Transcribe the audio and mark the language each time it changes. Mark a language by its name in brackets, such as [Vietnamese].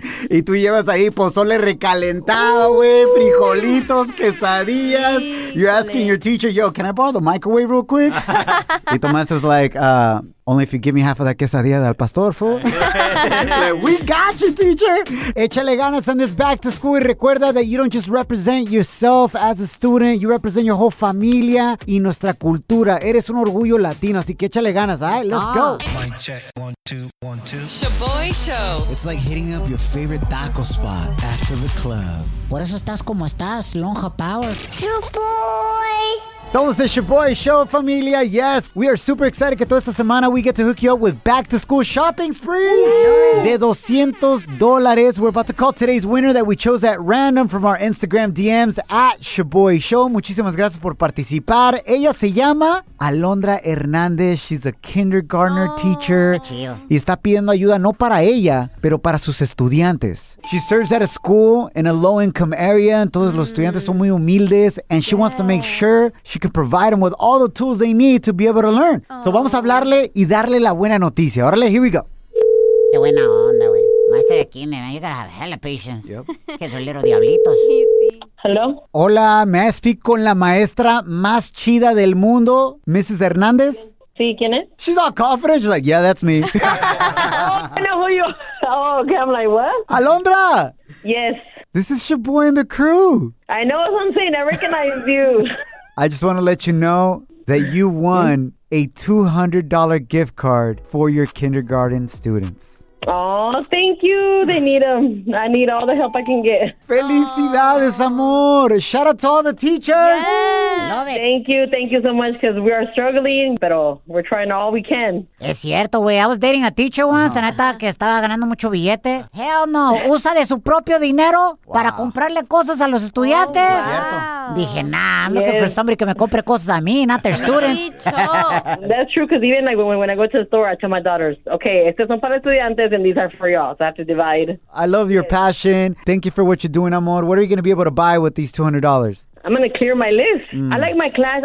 [Spanish] Y tú llevas ahí pozole recalentado, güey, frijolitos, quesadillas. [English] You're asking your teacher, yo, can I borrow the microwave real quick? [Spanish] Y tu [English] maestro's like, only if you give me half of that quesadilla del pastor, fool. Like, we got you, teacher. [Spanish] Échale ganas en [English] this back to school. [Spanish] Y recuerda [English] that you don't just represent yourself as a student. You represent your whole familia [Spanish] y nuestra cultura. Eres un orgullo latino, así que échale ganas. [English] All right, let's go. Mic check, 1, 2, 1, 2. Shaboy Show. It's like hitting up your favorite taco spot after the club. [Spanish] Por eso estás como estás, lonja power. [English] Shaboy. [Spanish] Somos el Shaboy Show, familia. [English] Yes, we are super excited [Spanish] que toda esta semana [English] we get to hook you up with back to school shopping sprees. [Spanish] De $200. [English] We're about to call today's winner that we chose at random from our Instagram DMs at Shaboy Show. [Spanish] Muchísimas gracias por participar. Ella se llama Alondra Hernández. [English] She's a kindergartner teacher. [Spanish] Y está pidiendo ayuda no para ella, pero para sus estudiantes. [English] She serves at a school in a low-income area. [Spanish] Entonces los estudiantes son muy humildes. [English] And she wants to make sure she can provide them with all the tools they need to be able to learn. [Spanish] So vamos a hablarle y darle la buena noticia. [English] Órale, here we go. [Spanish] Qué buena onda, güey. Maestro de kinder, man. [English] You gotta have hella patience. Yep. [Spanish] Que son little diablitos. Sí, sí. [English] Hello. [Spanish] Hola, [English] ¿may I speak [Spanish] con la maestra más chida del mundo, Mrs. Hernández? Sí, ¿quién es? [English] She's all confident. She's like, yeah, that's me. Oh, I know who you are. Oh, okay. I'm like, what? Alondra. Yes. This is your boy and the crew. I know what I'm saying. I recognize you. I just want to let you know that you won a $200 gift card for your kindergarten students. Oh, thank you. They need them. I need all the help I can get. [Spanish] Felicidades, amor. [English] Shout out to all the teachers. Yes. Love it. Thank you. Thank you so much because we are struggling, pero we're trying all we can. [Spanish] Es cierto, güey. [English] I was dating a teacher once and I thought [Spanish] que estaba ganando mucho billete. [English] Hell no. [Spanish] Usa de su propio dinero para comprarle cosas a los estudiantes. [English] Dije, nah, I'm looking for somebody [Spanish] que me compre cosas a mí, [English] not their students. That's true, because even like when I go to the store, I tell my daughters, okay, [Spanish] estos son para estudiantes [English] and these are for y'all, so I have to divide. I love your passion. Thank you for what you're doing, amor. What are you going to be able to buy with these $200? I'm going to clear my list. Mm. I like my class.